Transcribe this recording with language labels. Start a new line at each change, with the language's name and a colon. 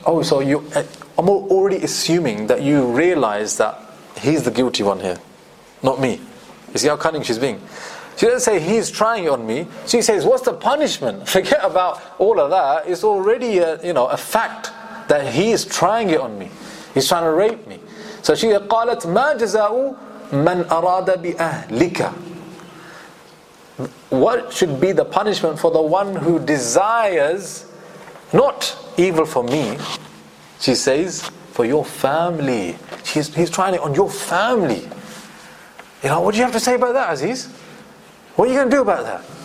English: Oh, so you, I'm already assuming that you realize that he's the guilty one here, not me. You see how cunning she's being? She doesn't say, he's trying on me. She says, what's the punishment? Forget about all of that. It's already a fact that he is trying it on me. He's trying to rape me. So she said,
Arabic: قَالَتْ مَا جَزَاءُ مَنْ أَرَادَ بِأَهْلِكَ.
English: What should be the punishment for the one who desires not evil for me? She says, for your family. He's trying it on your family. You know, what do you have to say about that, Aziz? What are you going to do about that?